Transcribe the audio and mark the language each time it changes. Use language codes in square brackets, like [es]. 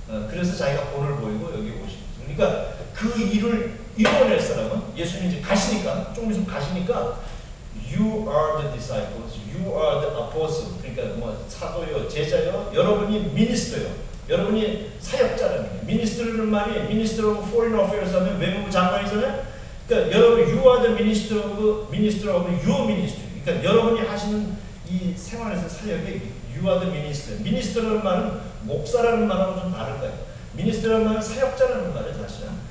[ko] 그래서 자기가 본을 보이고 여기 오신 거지. 그러니까 그 일을 이뤄낼 사람은 예수님이 이제 가시니까 조금 있으면 가시니까 [en] You are the disciples. You are the apostles. [ko] 그러니까 뭐 사도요, 제자요. 여러분이 미니스터요. 여러분이 사역자라는 거예요. 미니스터라는 말이 [en] minister of foreign affairs [ko] 하면 외무부 장관이잖아요. 그러니까 여러분 [en] you are the minister of your ministry. [ko] 그러니까 여러분이 하시는 이 생활에서 사역에 [en] you are the minister. [ko] 미니스터라는 말은 목사라는 말하고 좀 다른 거예요. 미니스터라는 말은 사역자라는 말이에요, 사실은.